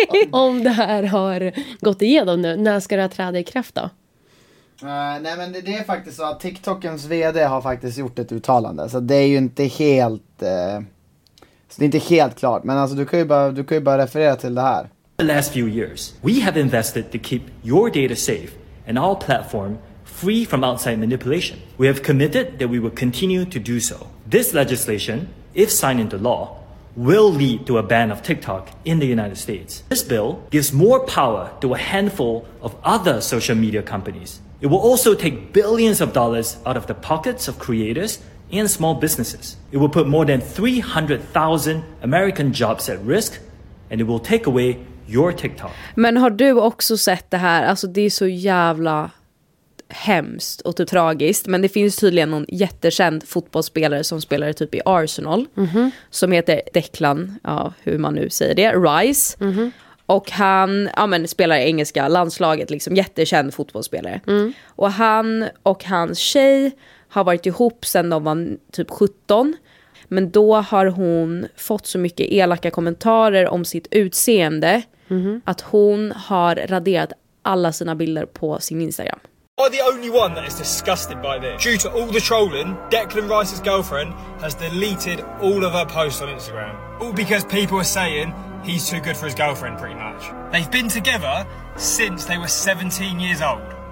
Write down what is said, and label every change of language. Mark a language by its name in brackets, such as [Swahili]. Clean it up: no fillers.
[Swedish] Om det här har gått igenom nu, när ska det träda i kraft då? Nej, men det är faktiskt så att TikTokens vd har faktiskt gjort ett uttalande. Så det är ju inte helt... Så det är inte helt klart, men alltså, du kan ju bara referera till det här. [English] The last few years, we have invested to keep your data safe and our platform free from outside manipulation. We have committed that we will continue to do so. This legislation, if signed into law, will lead to a ban of TikTok in the United States. This bill gives more power to a handful of other social media companies. It will also take billions of dollars out of the pockets of creators and small businesses. It will put more than 300,000 American jobs at risk, and it will take away your TikTok. [Swedish] Men har du också sett det här? Alltså, det är så jävla hemskt och typ tragiskt. Men det finns tydligen någon jättekänd fotbollsspelare som spelar typ i Arsenal. Mm-hmm. Som heter Declan, ja, hur man nu säger det, Rice. Mm-hmm. Och han, ja, men spelar i engelska landslaget, liksom jättekänd fotbollsspelare. Mm. Och han och hans tjej har varit ihop sedan de var typ 17. Men då har hon fått så mycket elaka kommentarer om sitt utseende. Mm-hmm. Att hon har raderat alla sina bilder på sin Instagram. [English] I'm the only one that is disgusted by this. Due to all the trolling, Declan Rice's girlfriend has deleted all of her posts on Instagram. All because people are saying he's too good for his girlfriend, pretty much. They've been together since they were 17 years old.